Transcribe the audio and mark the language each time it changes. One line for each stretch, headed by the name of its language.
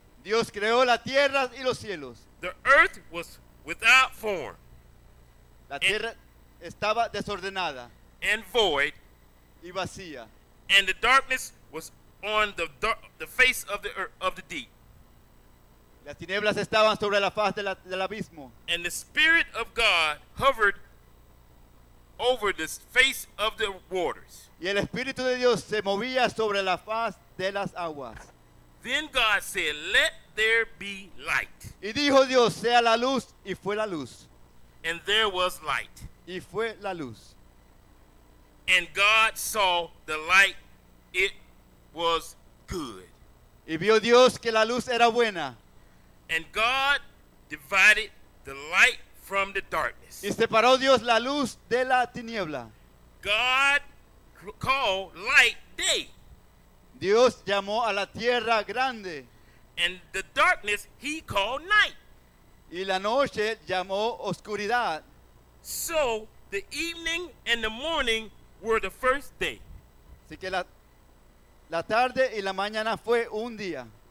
Spanish: Dios creó la tierra y los cielos.
English: The earth was without form.
Spanish: La tierra estaba desordenada.
English: And void.
Spanish: Y vacía.
English: and the darkness was on the face of the earth, of the deep.
Spanish: Las tinieblas estaban sobre la faz del abismo.
English: And the Spirit of God hovered over the face of the waters.
Spanish: Y el Espíritu de Dios se movía sobre la faz de las aguas.
English: Then God said, "Let there be light."
Spanish: Y dijo Dios, sea la luz, y fue la luz.
English: And there was light.
Spanish: Y fue la luz.
English: And God saw the light, it was good.
Spanish: Y vio Dios que la luz era buena.
English: And God divided the light from the darkness.
Spanish: Y separó Dios la luz de la tiniebla.
English: God called light day.
Spanish: Dios llamó a la tierra grande.
English: And the darkness he called night.
Spanish: Y la noche llamó oscuridad.
English: So the evening and the morning were the first day.
Spanish: Así que la tarde y la mañana fue un día.